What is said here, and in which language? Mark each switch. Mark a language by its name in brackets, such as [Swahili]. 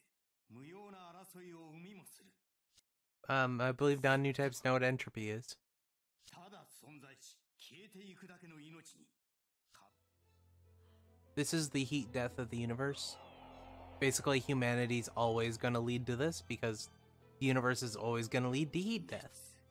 [Japanese] これがこの世の果て時の終わりに訪れる世界だ人がどれだけあがこうと結末は変わらない君にもわかるはずだ希望も可能性も慰めにもならない幻だそれが人を間違わせ無用な争いを生みもする [English] I believe non new types know what entropy is [Japanese] ただ存在し消えていくだけの命に [English] This is the heat death of the universe. Basically, humanity's always going to lead to this because the universe is always going to lead to heat death.